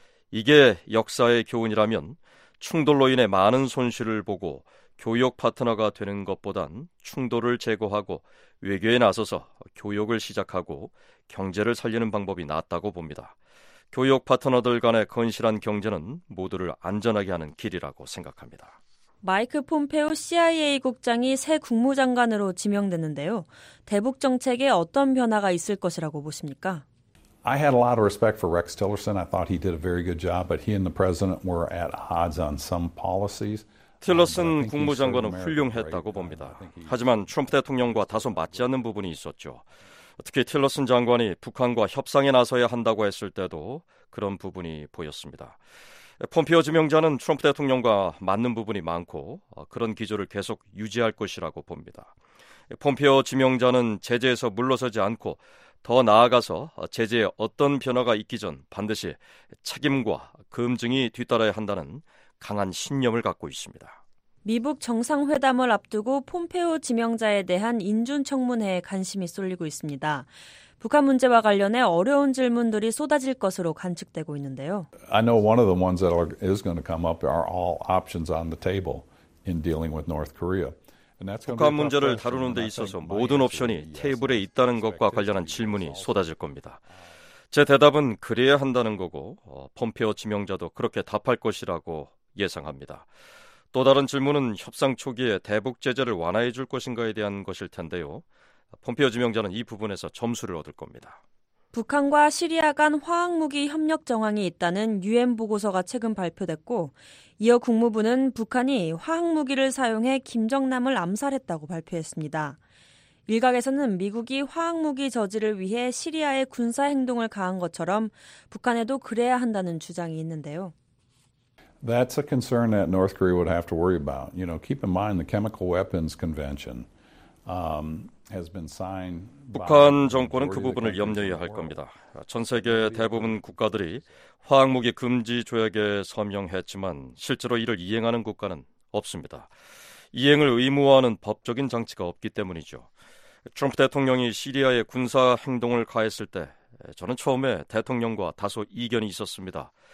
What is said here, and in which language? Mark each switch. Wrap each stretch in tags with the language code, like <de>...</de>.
<ko>이게 역사의 교훈이라면 충돌로 인해 많은 손실을 보고 교역 파트너가 되는 것보단 충돌을 제거하고 외교에 나서서 교역을 시작하고 경제를 살리는 방법이 낫다고 봅니다. 교역 파트너들 간의 건실한 경제는 모두를 안전하게 하는 길이라고 생각합니다. 마이크 폼페오 CIA 국장이 새 국무장관으로 지명됐는데요. 대북 정책에 어떤 변화가 있을 것이라고 보십니까?</ko> <en>I had a lot of respect for Rex Tillerson. I thought he did a very good job, but he and the president were at odds on some policies.</en> <ko>틸러슨 국무장관은 훌륭했다고 봅니다. 하지만 트럼프 대통령과 다소 맞지 않는 부분이 있었죠. 특히 틸러슨 장관이 북한과 협상에 나서야 한다고 했을 때도 그런 부분이 보였습니다. 폼페오 지명자는 트럼프 대통령과 맞는 부분이 많고 그런 기조를 계속 유지할 것이라고 봅니다. 폼페오 지명자는 제재에서 물러서지 않고 더 나아가서 제재에 어떤 변화가 있기 전 반드시 책임과 검증이 뒤따라야 한다는 강한 신념을 갖고 있습니다. 미북 정상회담을 앞두고 폼페오 지명자에 대한 인준청문회에 관심이 쏠리고 있습니다. 북한 문제와 관련해 어려운 질문들이 쏟아질 것으로 관측되고 있는데요.</ko> <en>I know one of the ones that is going to come up are all options on the table in dealing with North Korea.</en> <ko>북한 문제를 다루는 데 있어서 모든 옵션이 테이블에 있다는 것과 관련한 질문이 쏟아질 겁니다. 제 대답은 그래야 한다는 거고 폼페오 지명자도 그렇게 답할 것이라고 예상합니다. 또 다른 질문은 협상 초기에 대북 제재를 완화해 줄 것인가에 대한 것일 텐데요. 폼페오 지명자는 이 부분에서 점수를 얻을 겁니다. 북한과 시리아 간 화학무기 협력 정황이 있다는 유엔 보고서가 최근 발표됐고 이어 국무부는 북한이 화학무기를 사용해 김정남을 암살했다고 발표했습니다. 일각에서는 미국이 화학무기 저지를 위해 시리아에 군사 행동을 가한 것처럼 북한에도 그래야 한다는 주장이 있는데요.</ko> <en>That's a concern that North Korea would have to worry about. You know, keep in mind the Chemical Weapons Convention. Has been signed by</en> <ko>북한 정권은 그 부분을 염려해야 할 겁니다. 전 세계 대부분 국가들이 화학무기 금지 조약에 서명했지만 실제로 이를 이행하는 국가는 없습니다. 이행을 의무화하는 법적인 장치가 없기 때문이죠. 트럼프 대통령이 시리아에 군사 행동을 가했을 때 저는 처음에 대통령과 다소 이견이 있었습니다.</ko>